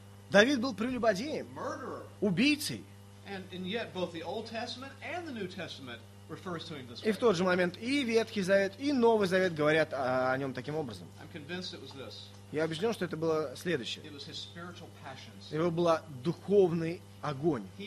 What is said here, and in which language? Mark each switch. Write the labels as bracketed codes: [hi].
[ru] Давид был прелюбодеем, убийцей. И [en] yet both the Old Testament and the New Testament. [ru] И в тот же момент и Ветхий Завет, и Новый Завет говорят о нем таким образом. Я убежден, что это было следующее. Его был духовный огонь.